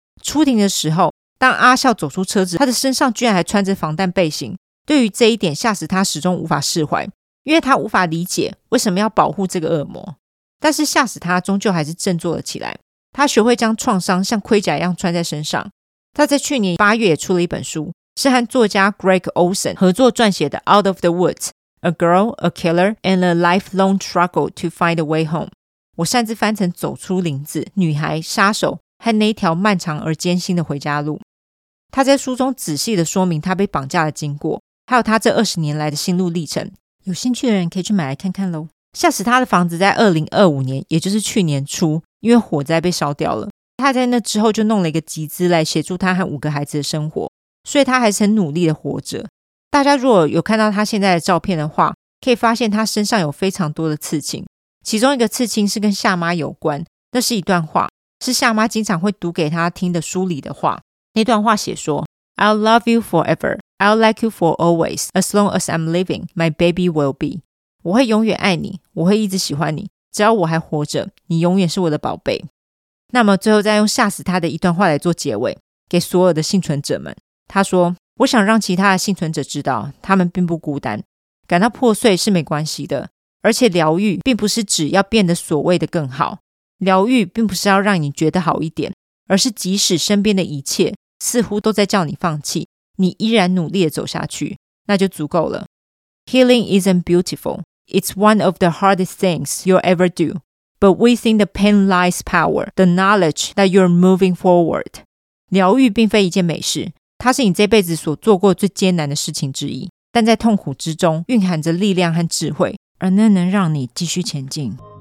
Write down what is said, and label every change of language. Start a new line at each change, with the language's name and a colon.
Chinese: 出庭的时候，当阿孝走出车子，他的身上居然还穿着防弹背心。对于这一点，吓死他始终无法释怀，因为他无法理解为什么要保护这个恶魔。但是吓死他终究还是振作了起来，他学会将创伤像盔甲一样穿在身上。他在去年8月也出了一本书，是和作家 Greg Olson 合作撰写的 Out of the Woods, A Girl, A Killer, and a Lifelong Struggle to Find a Way Home。我擅自翻成走出林子，女孩，杀手和那一条漫长而艰辛的回家路。他在书中仔细的说明他被绑架的经过，还有他这20年来的心路历程，有兴趣的人可以去买来看看咯。吓死他的房子在2025年，也就是去年初，因为火灾被烧掉了。他在那之后就弄了一个集资来协助他和五个孩子的生活，所以他还是很努力的活着。大家如果有看到他现在的照片的话，可以发现他身上有非常多的刺青，其中一个刺青是跟夏妈有关，那是一段话，是夏妈经常会读给他听的书里的话。那段话写说，
English: I'll love you forever, I'll like you for always. As long as I'm living, my baby will be.
Chinese: 我会永远爱你，我会一直喜欢你，只要我还活着，你永远是我的宝贝。那么最后再用吓死他的一段话来做结尾，给所有的幸存者们。他说，我想让其他的幸存者知道，他们并不孤单，感到破碎是没关系的，而且疗愈并不是只要变得所谓的更好，疗愈并不是要让你觉得好一点，而是即使身边的一切似乎都在叫你放弃，你依然努力地走下去，那就足够了。
English: Healing isn't beautiful. It's one of the hardest things you'll ever do. But within the pain lies power, the knowledge that you're moving forward.
Chinese: 疗愈并非一件美事，它是你这辈子所做过最艰难的事情之一，但在痛苦之中蕴含着力量和智慧，而那能让你继续前进。